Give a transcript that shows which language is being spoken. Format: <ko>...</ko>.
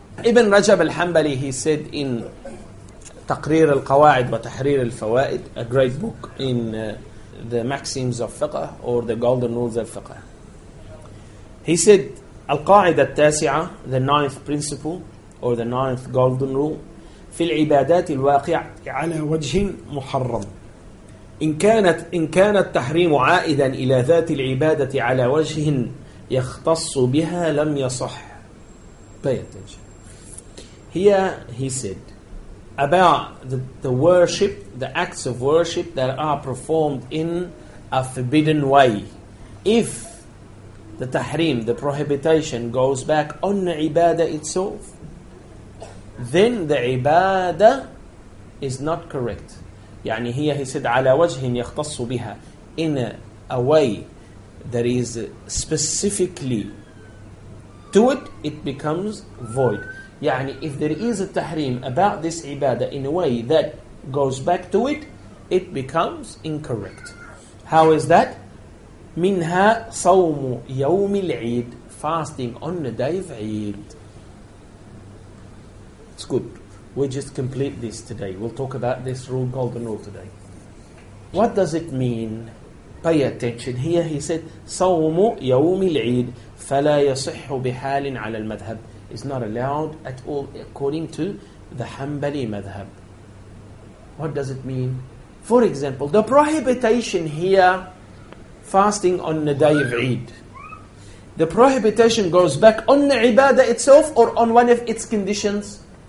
<en>Ibn Rajab al-Hanbali, he said in Taqrir al-Qawa'id wa Tahrir al-Fawa'id, a great book in the maxims of fiqh, or the golden rules of fiqh. He said, al-Qa'idah al-Tasi'ah, the ninth principle, or the ninth golden rule,</en> <ar>في العبادات الواقعة على وجه محرم. إن كانت تحريم عائدا إلى ذات العبادة على وجه يختص بها لم يصح.</ar> <en>Pay attention. Here he said about the worship, the acts of worship that are performed in a forbidden way. If the tahrim, the prohibition, goes back on the ibadah itself, then the ibadah is not correct.</en> <ar>يعني</ar> <en>here he said,</en> <ar>على وجه يختص بها,</ar> <en>in a way that is specifically to it, it becomes void.</en> <ar>يعني</ar> <en>if there is a tahrim about this ibadah in a way that goes back to it, it becomes incorrect. How is that?</en> <ar>منها صوم يوم العيد,</ar> <en>fasting on the day of Eid. It's good. We just complete this today. We'll talk about this rule, golden rule today. What does it mean? Pay attention. Here he said,</en> <ar>صَوْمُ يَوْمِ الْعِيدِ فَلَا يَصِحُّ بِحَالٍ عَلَى الْمَذْهَبِ.</ar> <en>It's not allowed at all according to the Hanbali madhab. What does it mean? For example, the prohibition here, fasting on the day of Eid, the prohibition goes back on the ibadah itself or on one of its conditions?</en>